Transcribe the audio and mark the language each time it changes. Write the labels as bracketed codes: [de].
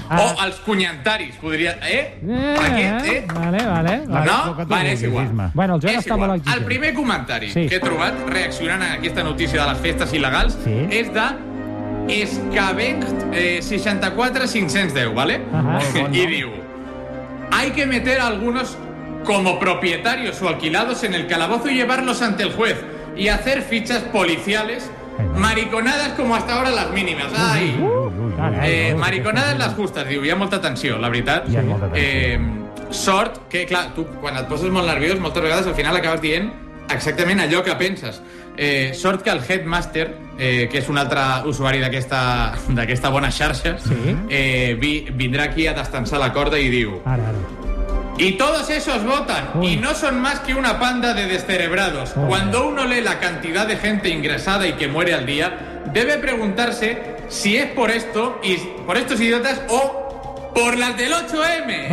[ca] O els cunyantaris, podria... Vale. No? Vale, és igual. Bueno, el Joan està molt exigent. El primer comentari que he trobat reaccionant a aquesta notícia de les festes il·legals és de Escavenct 64510, vale? I diu... [es] Hay que meter a algunos como propietarios o alquilados en el calabozo y llevarlos ante el juez y hacer fichas policiales mariconadas como hasta ahora las mínimas. ¡Ay! Mariconadas las justas, diu. [ca] Hi ha molta tensió, la veritat. Sort que, clar, tu quan et poses molt nerviós moltes vegades al final acabes dient exactament allò que penses. Sort que el Headmaster, que és un altre usuari d'aquesta bona xarxa, vindrà aquí a destensar la corda i diu... [es] Y todos esos votan, y no son más que una panda de descerebrados. Cuando uno lee la cantidad de gente ingresada y que muere al día, debe preguntarse si es por esto, y por estos idiotas, o por las del 8M.